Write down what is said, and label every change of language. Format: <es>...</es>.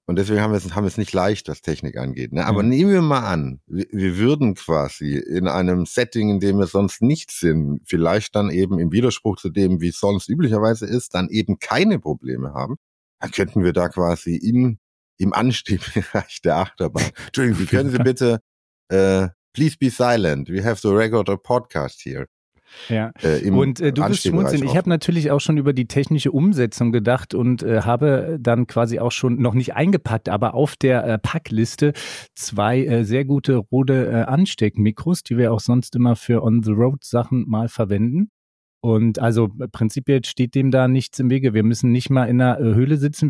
<de>Und deswegen haben wir es nicht leicht, was Technik angeht. Ne? Aber nehmen wir mal an, wir würden quasi in einem Setting, in dem wir sonst nicht sind, vielleicht dann eben im Widerspruch zu dem, wie es sonst üblicherweise ist, dann eben keine Probleme haben. Könnten wir da quasi im Anstiegbereich der Achterbahn. Entschuldigung, können Sie bitte,</de> <en>please be silent. We have to record a podcast here.</en> <de>Ja, du bist schmunzeln. Ich habe natürlich auch schon über die technische Umsetzung gedacht und habe dann quasi auch schon noch nicht eingepackt, aber auf der Packliste zwei sehr gute Rode Ansteckmikros, die wir auch sonst immer für On-the-Road-Sachen mal verwenden. Und also prinzipiell steht dem da nichts im Wege. Wir müssen nicht mal in einer Höhle sitzen.</de>